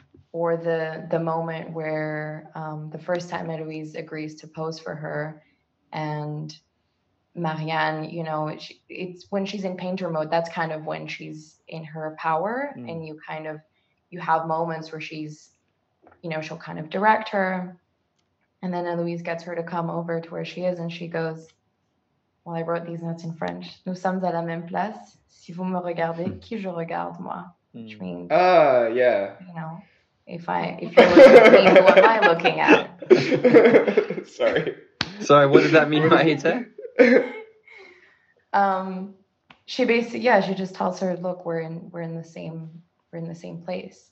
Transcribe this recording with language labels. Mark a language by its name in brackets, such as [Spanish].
[English] Or the moment where the first time Eloise agrees to pose for her and Marianne, you know, it's when she's in painter mode, that's kind of when she's in her power. Mm. And you have moments where she's, you know, she'll kind of direct her. And then Eloise gets her to come over to where she is and she goes, well, I wrote these notes in French. [French] Nous sommes à la même place. Si vous me regardez, qui je regarde moi? [English] Which means, you know. If you're looking at me, what am I looking at? Sorry. Sorry, what does that mean, Maïté? She basically, she just tells her, look, we're in the same place.